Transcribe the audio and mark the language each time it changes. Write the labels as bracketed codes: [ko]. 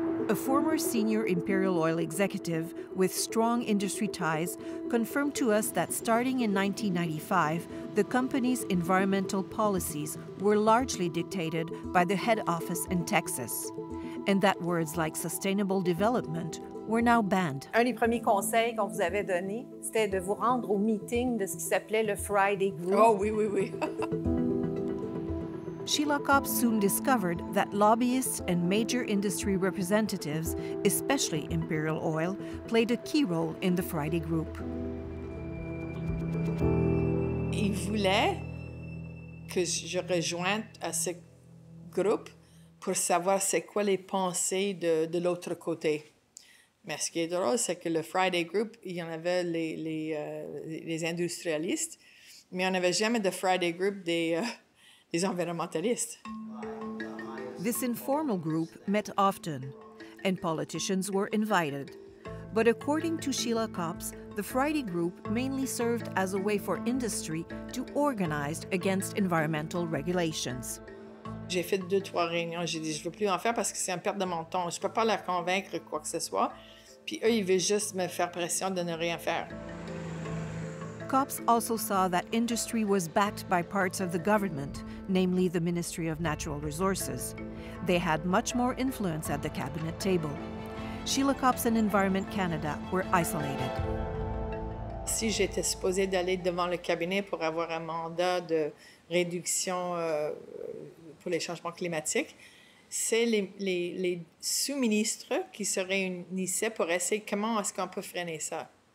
[en] A former senior Imperial Oil executive with strong industry ties confirmed to us that starting in 1995, the company's environmental policies were largely dictated by the head office in Texas, and that words like sustainable development were now banned. [fr] Un des premiers conseils qu'on vous avait donné, c'était de vous rendre au meeting de ce qui s'appelait le Friday Group. Oh, oui, oui, oui. [en] Sheila Copps soon discovered that lobbyists and major industry representatives, especially Imperial Oil, played a key role in the Friday Group. [fr] Ils voulaient que je rejoigne à ce groupe pour savoir c'est quoi les pensées de l'autre côté. Mais ce qui est drôle, c'est que le Friday Group, il y en avait les industrialistes, mais on n'avait jamais de Friday Group des environnementalistes. [en] This informal group met often, and politicians were invited. But according to Sheila Copps, the Friday Group mainly served as a way for industry to organize against environmental regulations. [fr] J'ai fait deux, trois réunions. J'ai dit, je ne veux plus en faire parce que c'est une perte de mon temps. Je ne peux pas la convaincre quoi que ce soit. Puis eux, ils veulent juste me faire pression de ne rien faire. [en] Cops also saw that industry was backed by parts of the government, namely the Ministry of Natural Resources. They had much more influence at the cabinet table. Sheila Cops and Environment Canada were isolated. [fr] Si j'étais supposée d'aller devant le cabinet pour avoir un mandat de réduction pour les changements climatiques, c'est les sous-ministres qui se réunissaient pour essayer comment est-ce qu'on peut freiner ça.